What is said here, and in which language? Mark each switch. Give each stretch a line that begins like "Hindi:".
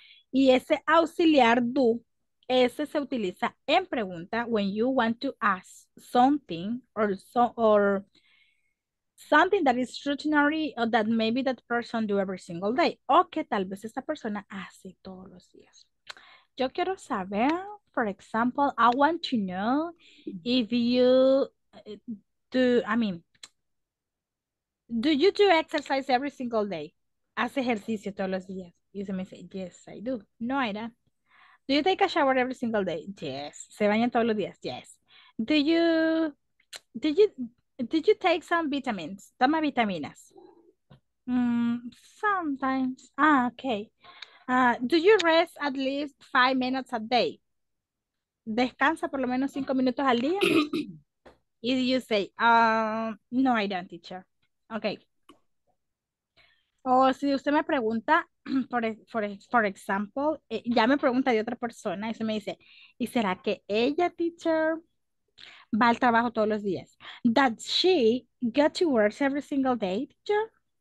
Spanish: Y ese auxiliar do, ese se utiliza en pregunta
English: when you want to ask something or something that is rutinary or that maybe that person do every single day.
Spanish: O que tal vez esta persona hace todos los días. Yo quiero saber,
English: for example, I want to know if you do, I mean, do you do exercise every single day?
Spanish: ¿Hace ejercicio todos los días? Y se me dice,
English: yes, I do. No, I don't. Do you take a shower every single day? Yes.
Spanish: ¿Se bañan todos los días?
English: Yes. Did you take some vitamins?
Spanish: ¿Toma vitaminas?
English: Sometimes. Ah, okay. Do you rest at least 5 minutes a day?
Spanish: ¿Descansa por lo menos 5 minutos al día? Y
English: you say, no, I don't, teacher. Okay.
Spanish: O si usted me pregunta,
English: for example,
Spanish: ya me pregunta de otra persona y se me dice, ¿y será que ella, teacher, va al trabajo todos los días?
English: ¿That she go to work every single day, teacher?